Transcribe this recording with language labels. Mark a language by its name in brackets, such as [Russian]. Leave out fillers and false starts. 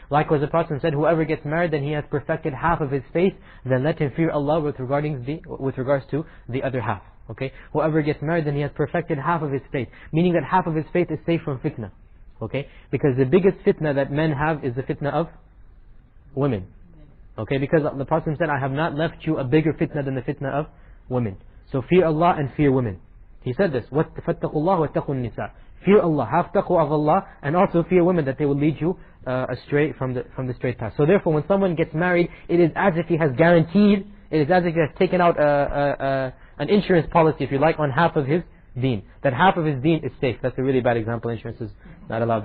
[English] Likewise, the Prophet said, whoever gets married, then he has perfected half of his faith, then let him fear Allah with regards to the other half. Okay? Whoever gets married, then he has perfected half of his faith. Meaning that half of his faith is safe from fitna. Okay? Because the biggest fitna that men have is the fitna of women. Okay? Because the Prophet said, I have not left you a bigger fitna than the fitna of women. So fear Allah and fear women. He said this, [Arabic] فَاتَّقُوا اللَّهُ وَاتَّقُوا النِّسَاءِ. [English] Fear Allah, have taqwa of Allah, and also fear women, that they will lead you astray from the straight path. So therefore, when someone gets married, it is as if he has guaranteed, it is as if he has taken out an insurance policy, if you like, on half of his deen. That half of his deen is safe. That's a really bad example. Insurance is not allowed.